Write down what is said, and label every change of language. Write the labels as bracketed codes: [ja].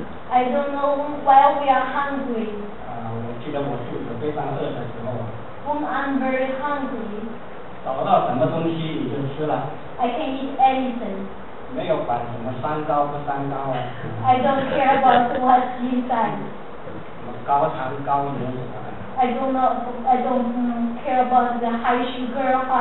[en] I don't know while we are hungry. [zh] 我记得我肚子非常饿的时候。 [en] When I'm very hungry. [zh] 找到什么东西你就吃了。 [en] I can eat anything. [zh] 没有管什么三高不三高啊。 [en] I don't care about what he said. [zh] 什么高糖高盐什么的。 [en] I don't care about the high sugar